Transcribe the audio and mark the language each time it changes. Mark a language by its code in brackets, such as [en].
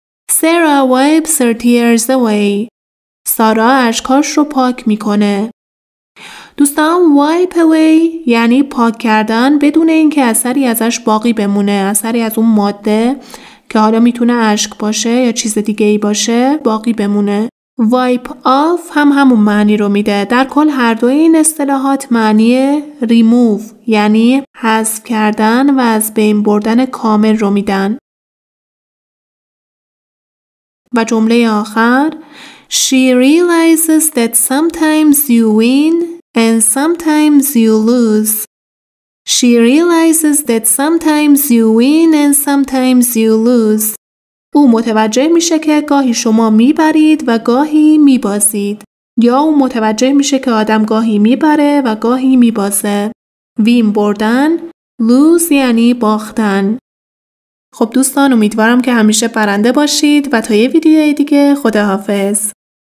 [en] Sarah wipes her tears away. [fa] سارا اشکاش رو پاک میکنه. دوستان wipe away یعنی پاک کردن بدون اینکه اثری ازش باقی بمونه، اثری از اون ماده که حالا میتونه اشک باشه یا چیز دیگه ای باشه باقی بمونه. wipe off هم همون معنی رو میده. در کل هر دوی این اصطلاحات معنی remove یعنی حذف کردن و از بین بردن کامل رو میدن. و جمله آخر [en] She realizes that sometimes you win and sometimes you lose. She realizes that sometimes you win and sometimes you lose. [fa] او متوجه میشه که گاهی شما میبرید و گاهی میبازید. یا او متوجه میشه که آدم گاهی میبره و گاهی میبازه. وین بردن، لوز یعنی باختن. خب دوستان امیدوارم که همیشه برنده باشید و تا یه ویدیوی دیگه خداحافظ.